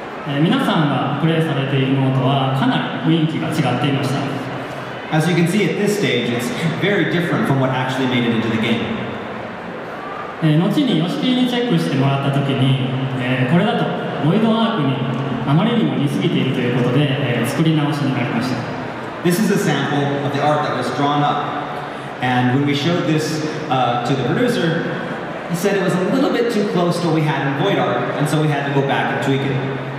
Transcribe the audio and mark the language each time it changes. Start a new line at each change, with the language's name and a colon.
English: As you can see at this stage, it's very different from what actually made it into the game.
Japanese: あまりにも似すぎているということで、作り直しになりました。
English: This is a sample of the art that was drawn up. And when we showed this to the producer, he said it was a little bit too close to what we had in Void Art, and so we had to go back and tweak it.